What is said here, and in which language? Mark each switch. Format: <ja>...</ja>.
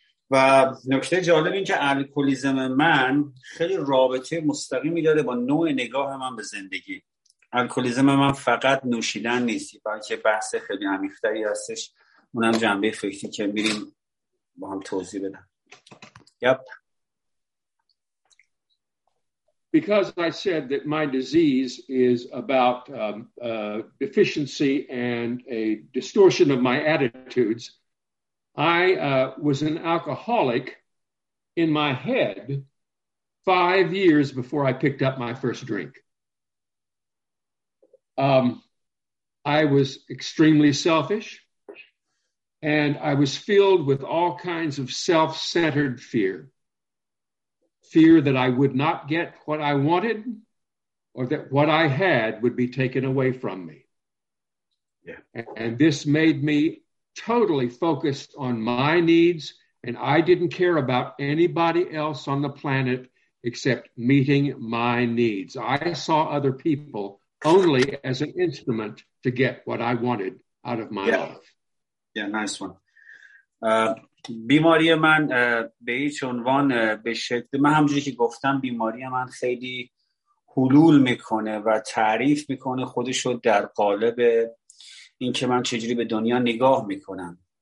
<fa>و نکته جالب این که الکولیزم من خیلی رابطه مستقیمی داره با نوع نگاه من به زندگی. الکولیزم من فقط نوشیدن نیست، بلکه بحث خیلی عمیق‌تری هستش، اونم جنبه فکری که میریم با هم توضیح بدم.</fa> <en>Yep. Because I said that my disease is about deficiency and a distortion of my attitudes, I was an alcoholic in my head 5 years before I picked up my first drink. I was extremely selfish, and I was filled with all kinds of self-centered fear. Fear that I would not get what I wanted, or that what I had would be taken away from me. Yeah. And this made me totally focused on my needs, and I didn't care about anybody else on the planet except meeting my needs. I saw other people only as an instrument to get what I wanted out of my life. Yeah, nice one.</en> <fa>بیماری من به هیچ عنوان به شکل من همونجوری که گفتم بیماری من خیلی حلول میکنه و تعریف میکنه خودشو در قالب این که من چجوری به دنیا نگاه میکنم.</fa>